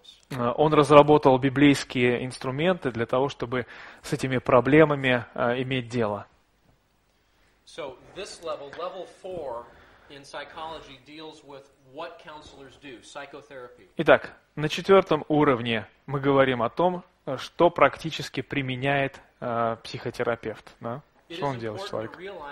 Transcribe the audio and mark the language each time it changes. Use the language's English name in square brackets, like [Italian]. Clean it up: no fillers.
[Russian] Он разработал библейские инструменты для того, чтобы с этими проблемами иметь дело. [English] So this level 4 in psychology deals with what counselors do, psychotherapy. [Russian] Итак, на четвертом уровне мы говорим о том, что практически применяет психотерапевт, да? Что он делает с человеком?